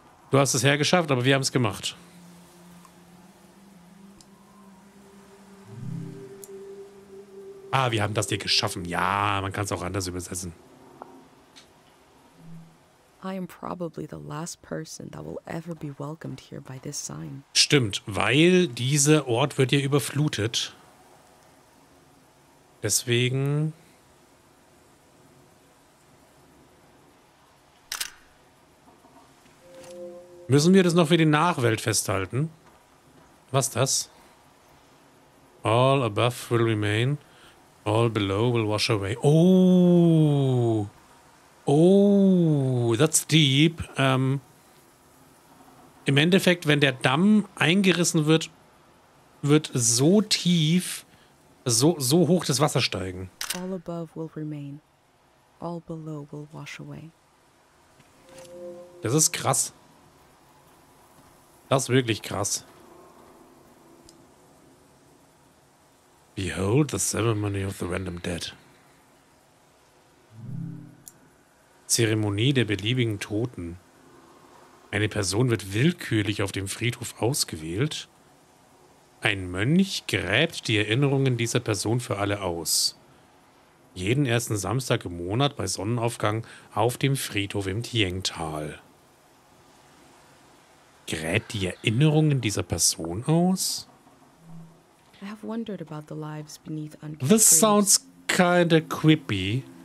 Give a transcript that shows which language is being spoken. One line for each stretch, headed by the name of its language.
German: Du hast es hergeschafft, aber wir haben es gemacht. Ah, wir haben das hier geschaffen. Ja, man kann es auch anders übersetzen.
English: I am probably the last person that will ever be welcomed here by this sign.
German: Stimmt, weil dieser Ort wird ja überflutet. Deswegen. Müssen wir das noch für die Nachwelt festhalten? Was das?
English: All above will remain. All below will wash away. Oh! Oh, that's deep.
German: Im Endeffekt, wenn der Damm eingerissen wird, wird so tief, so hoch das Wasser steigen.
English: All above will remain. All below will wash away.
German: Das ist krass. Das ist wirklich krass.
English: Behold the ceremony of the random dead.
German: Zeremonie der beliebigen Toten. Eine Person wird willkürlich auf dem Friedhof ausgewählt. Ein Mönch gräbt die Erinnerungen dieser Person für alle aus. Jeden ersten Samstag im Monat bei Sonnenaufgang auf dem Friedhof im Tiengtal. Gräbt die Erinnerungen dieser Person aus?
English: I have wondered about the lives beneath uncovered. This sounds kinda creepy.